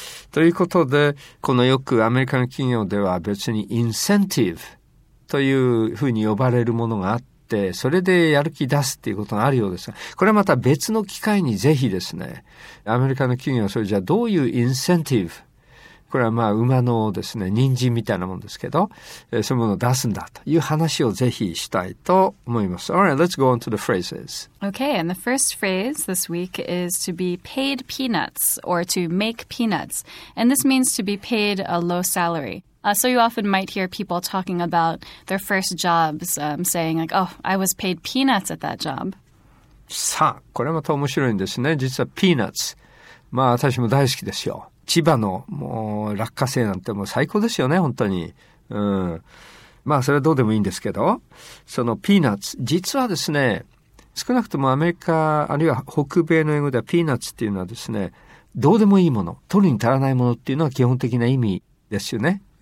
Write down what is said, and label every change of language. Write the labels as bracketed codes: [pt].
[ja] ということで、このよくアメリカの企業では別にインセンティブというふうに呼ばれるものがあって、それでやる気出すっていうことがあるようですが、これはまた別の機会にぜひですね、アメリカの企業はそれじゃあどういうインセンティブ、これはまあ馬のですね、人参みたいなもんですけど、そういうものを出すんだという話をぜひしたいと思います。 [en] All right, let's go on to the phrases. Okay, and the first phrase this week is to be paid peanuts or to make peanuts. And this means to be paid a low salary. So you often might hear people talking about their first jobs, saying like, oh, I was paid peanuts at that job. [ja] さあ、これまた面白いんですね。実はピーナッツ。まあ私も大好きですよ。千葉のもう落花生なんてもう最高ですよね、本当に。うん。まあそれはどうでもいいんですけど、そのピーナッツ、実はですね、少なくともアメリカ、あるいは北米の英語ではピーナッツっていうのはですね、どうでもいいもの、取るに足らないものっていうのは基本的な意味ですよね。